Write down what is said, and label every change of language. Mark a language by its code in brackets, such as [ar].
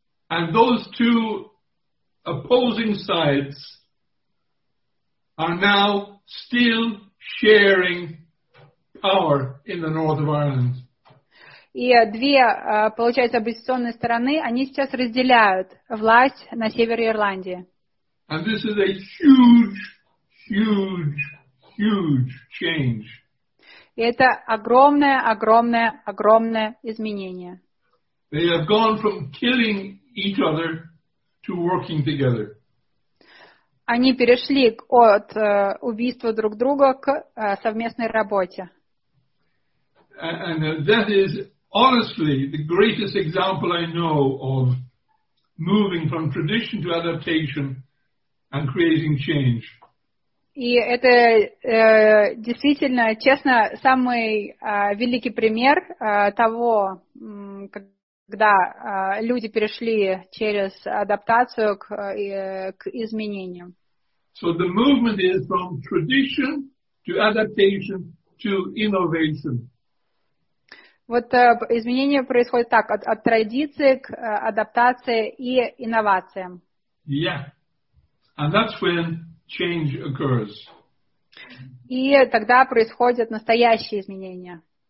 [en] And those two opposing sides are now still sharing power in the north of Ireland. [ru] И две, получается, оппозиционные стороны, они сейчас разделяют власть на севере Ирландии. [en] And this is a huge, huge, huge change. [ru] И это огромное, огромное, огромное изменение. [en] They have gone from killing each other to working together. [ru] Они перешли от убийства друг друга к совместной работе. [en] And that is honestly the greatest example I know of moving from tradition to adaptation and creating change. [ru] И это действительно, честно, самый великий пример того, когда люди перешли через адаптацию к изменениям. [en] So the movement is from tradition to adaptation to innovation. [ru] Вот изменения происходят так, от традиции к адаптации и инновациям. [en] Yeah. And that's when change occurs. [ru] И тогда происходят настоящие изменения.